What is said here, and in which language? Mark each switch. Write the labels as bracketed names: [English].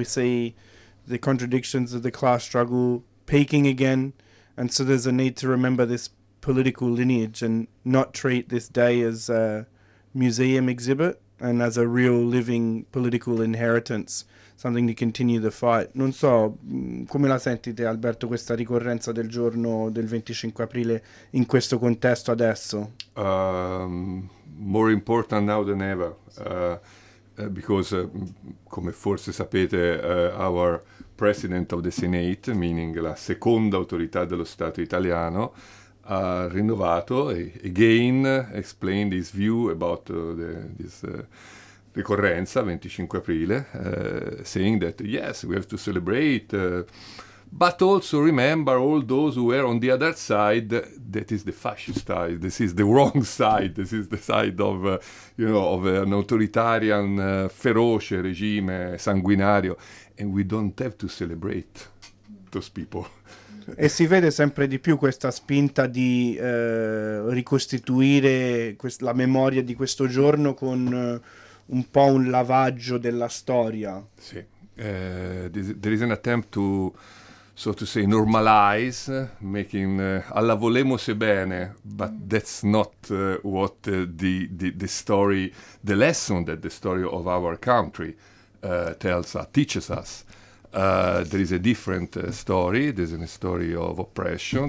[English] We see the contradictions of the class struggle peaking again, and so there's a need to remember this political lineage and not treat this day as a museum exhibit, and as a real living political inheritance, something to continue the fight. [Italian] Non so, come la sentite, Alberto, questa ricorrenza del giorno del 25 aprile in questo contesto adesso? [English] More important now than ever, because, [Italian] come forse sapete, [English] our president of the Senate, meaning [Italian] la seconda autorità dello Stato italiano, ha rinnovato e [English] again explained his view about this ricorrenza 25 aprile, saying that yes, we have to celebrate, but also remember all those who were on the other side. That is the fascist side. This is the wrong side. This is the side of of an authoritarian, feroce regime, sanguinario, and we don't have to celebrate those people. [Italian] E si vede sempre di più questa spinta di ricostituire la memoria di questo giorno con un po' un lavaggio della storia. Sì, [English] there is an attempt to so to say, normalize, making [Italian] alla volemose bene, [English] but that's not what the story, the lesson that the story of our country teaches us. There is a different story. There's a story of oppression.